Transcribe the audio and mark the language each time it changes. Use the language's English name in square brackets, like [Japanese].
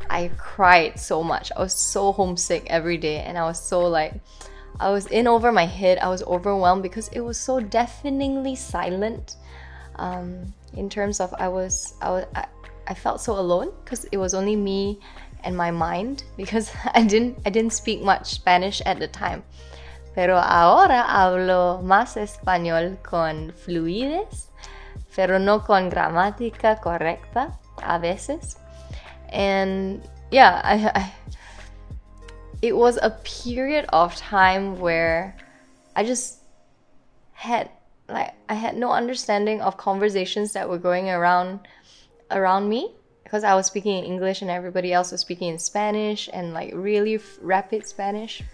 [English] I cried so much. I was so homesick every day, and I was so like, I was in over my head. I was overwhelmed because it was so deafeningly silent. In terms of I felt so alone because it was only me and my mind, because I didn't speak much Spanish at the time. [Spanish] Pero ahora hablo más español con fluidez, pero no con gramática correcta a veces. [English] And yeah, it was a period of time where I just had, like, I had no understanding of conversations that were going around me, because I was speaking in English and everybody else was speaking in Spanish, and like really rapid Spanish.